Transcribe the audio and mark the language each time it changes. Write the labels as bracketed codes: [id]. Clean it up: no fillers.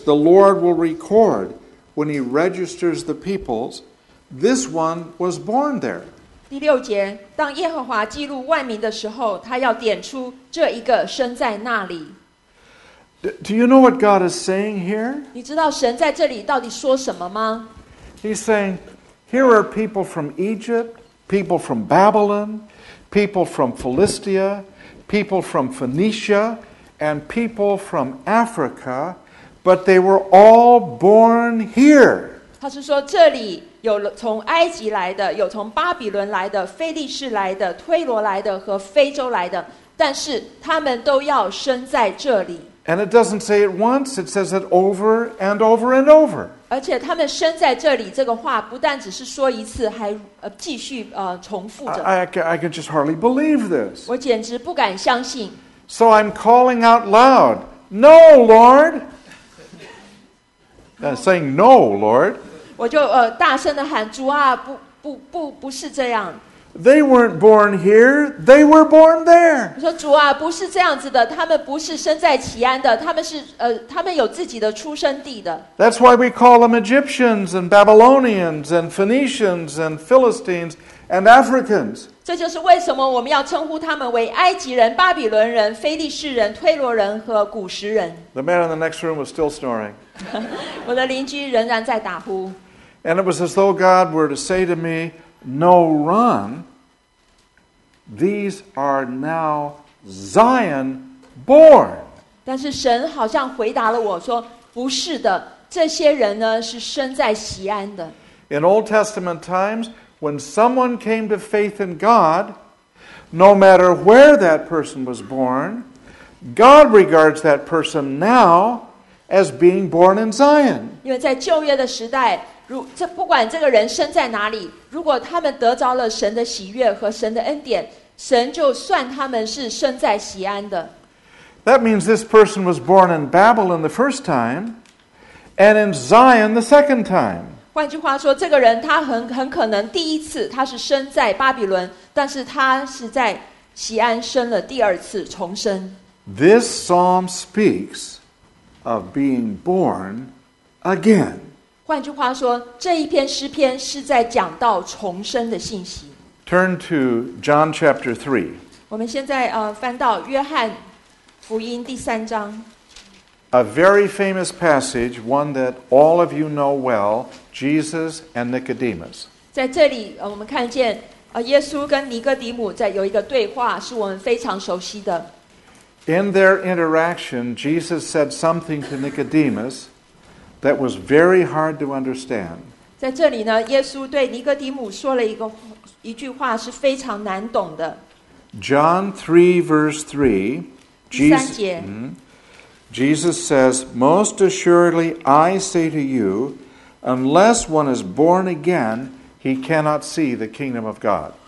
[en] The Lord will record when he registers the peoples. This one was born there. [zh] 第六节，当耶和华记录万民的时候，他要点出这一个生在那里。 [en] Do you know what God is saying here? [zh] 你知道神在这里到底说什么吗？ [en] He's saying, here are people from Egypt, people from Babylon, people from Philistia, people from Phoenicia,and people from Africa, but they were all born here. [zh] 他是说这里有从埃及来的，有从巴比伦来的，腓力士来的，推罗来的，和非洲来的，但是他们都要生在这里。 [en] And it doesn't say it once, it says it over and over and over. [zh] 而且他们生在这里这个话不但只是说一次，还继续重复着。 [en] I can just hardly believe this. [zh] 我简直不敢相信。 [en] So I'm calling out loud, No, Lord! I'm saying, No, Lord. [zh] 我就大声地喊主啊，不是这样。 [en] They weren't born here, they were born there. [zh] 我说主啊，不是这样子的，他们不是生在其安的，他们有自己的出生地的。 [en] That's why we call them Egyptians and Babylonians and Phoenicians and Philistines. And Africans. [zh] 这就是为什么我们要称呼他们为埃及人、巴比伦人、腓力士人、推罗人和古实人。 [en] The man in the next room was still snoring. [zh] 我的邻居仍然在打呼。 [en] And it was as though God were to say to me, "No, run. These are now Zion born." [zh] 但是神好像回答了我说：“不是的，这些人呢是生在锡安的。 [en] In Old Testament times, when someone came to faith in God, no matter where that person was born, God regards that person now as being born in Zion. [zh] 因为在旧约的时代，不管这个人生在哪里，如果他们得着了神的喜悦和神的恩典，神就算他们是生在锡安的。 [en] That means this person was born in Babylon the first time, and in Zion the second time. [zh] 换句话说，这个人他 很可能第一次他是生在巴比伦，但是他是在锡安生了第二次重生。 [en] This psalm speaks of being born again. [zh] 换句话说，这一篇诗篇是在讲到重生的信息。 [en] Turn to John chapter 3. [zh] 我们现在翻到约翰福音第三章。 [en] A very famous passage, one that all of you know well, Jesus and Nicodemus. [zh] 在这里我们看见耶稣跟尼哥底母在有一个对话是我们非常熟悉的。 [en] In their interaction, Jesus said something to Nicodemus that was very hard to understand. [zh] 在这里呢，耶稣对尼哥底母说了一句话是非常难懂的。 [en] John 3 verse 3, Jesus says, Most assuredly I say to you, unless one is born again, he cannot see the kingdom of God.